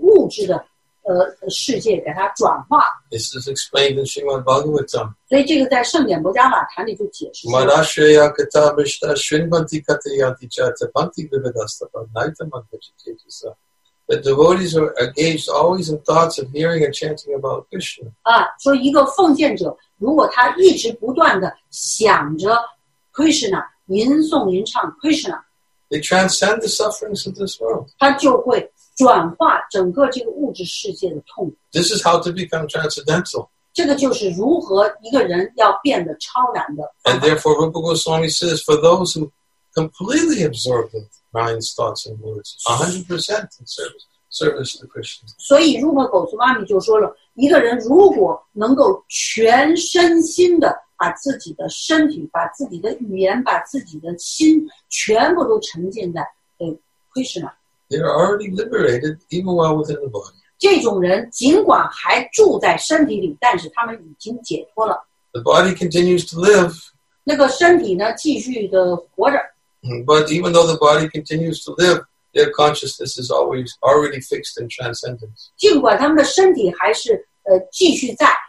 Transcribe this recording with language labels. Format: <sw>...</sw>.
<zh>所以当一个人他是一个超然的状态的时候,他就整个把这个物质的世界给他转化。</zh> <en>This is explained in Srimad Bhagavatam.</en> <zh>所以这个在圣典摩迦瓦坛里就解释了。</zh> <sa>Madashraya kata vishta srimanti kata yanti chata panti vivadastapa naitaman vajitetisa.</sa> <en>The devotees are engaged always in thoughts of hearing and chanting about Krishna.</en> <zh>所以一个奉献者如果他一直不断地想着Krishna, 吟诵吟唱 Krishna,</zh> <en>they transcend the sufferings of this world.</en> <zh>他就会转化整个这个物质世界的痛苦。</zh> <en>This is how to become transcendental.</en> <zh>这个就是如何一个人要变得超然的。</zh> <en>And therefore, Rupa Goswami says, for those who completely absorb the mind's thoughts and words, 100% in service to Krishna.</en> <zh>所以Rupa Goswami就说了, 一个人如果能够全身心的 把自己的身体、把自己的语言、把自己的心全部都沉浸在Krishna。</zh> <en>They are already liberated even while within the body.</en> <zh>这种人尽管还住在身体里，但是他们已经解脱了。</zh> <en>The body continues to live.</en> <zh>那个身体呢，继续的活着。</zh> <en>But even though the body continues to live, their consciousness is always already fixed in transcendence.</en> <zh>尽管他们的身体还是继续在。</zh>